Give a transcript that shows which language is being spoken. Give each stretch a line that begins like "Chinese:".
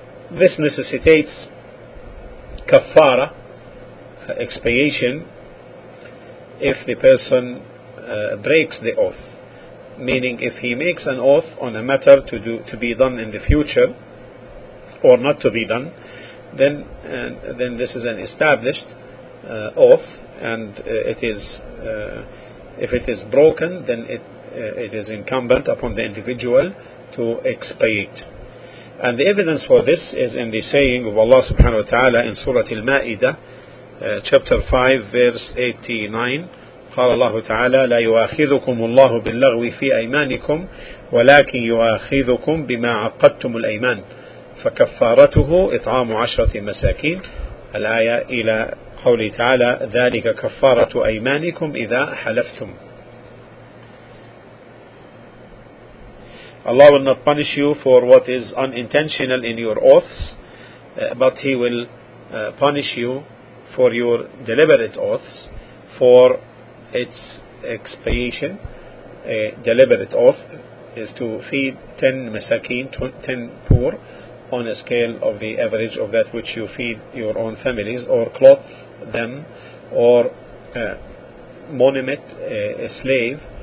English: This necessitates kafara, expiation, if the person breaks the oath, meaning if he makes an oath on a matter to be done in the future or not to be done, then this is an established oath, and it is if it is broken, then it is incumbent upon the individual to expiate. And the evidence for this is in the saying of Allah subhanahu wa ta'ala in Surah Al-Ma'idah, chapter 5, verse 89.
Arabic: قال الله تعالى لا يؤاخذكم الله باللغو في أيمانكم ولكن يؤاخذكم بما عقدتم الأيمان فكفارته إطعام 10 مساكين. الآية إلى قوله تعالى ذلك كفارة أيمانكم إذا حلفتم.
English: Allah will not punish you for what is unintentional in your oaths, but He will punish you for your deliberate oaths, for its expiation. A deliberate oath is to feed 10 poor on a scale of the average of that which you feed your own families, or clothe them, or manumit a slave.